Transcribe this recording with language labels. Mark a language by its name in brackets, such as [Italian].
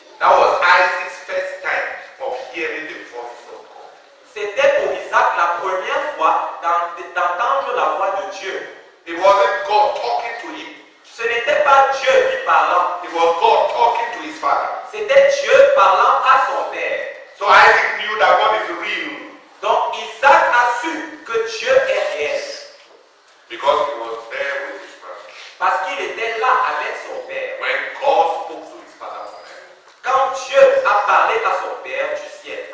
[English] That was Isaac's first time of hearing the voice of God. [French] C'était pour Isaac la première fois d'entendre la voix de Dieu. [English] It wasn't God talking to him. [French] Ce n'était pas Dieu lui parlant. [English] It was God talking to his father. [French] C'était Dieu parlant à son père. [English] So Isaac knew that God is real. [French] Donc Isaac a su que Dieu est réel. [English] Because he was there with his father. [French] Parce qu'il était là avec son père. [English] When God spoke to his father from heaven. [French] Quand Dieu a parlé à son père du ciel.